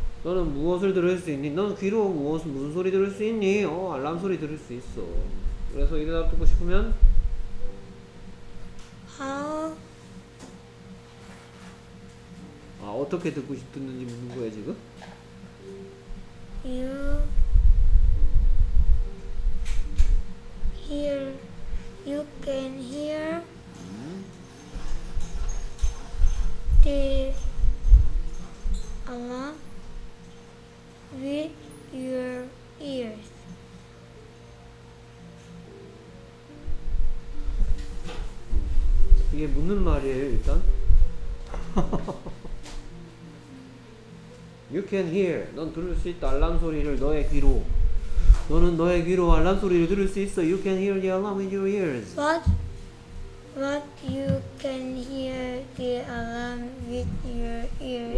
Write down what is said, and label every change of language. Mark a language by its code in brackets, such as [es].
[ko] 너는 무엇을 들을 수 있니? 너는 귀로 무엇을, 무슨 소리 들을 수 있니? 어, 알람 소리 들을 수 있어. 그래서 이 대답 듣고 싶으면? [en] How? [ko] 아, 어떻게 듣고 싶는지 묻는 거예요, 지금? [en] You hear, you can hear the alarm with your ears. [ko] 이게 묻는 말이에요, 일단. [en] You can hear. [ko] 넌 들을 수 있다. 알람 소리를 너의 귀로. 너는 너의 귀로 알람 소리를 들을 수 있어. [en] You can hear the alarm in your ears. What you can hear the alarm with your ears?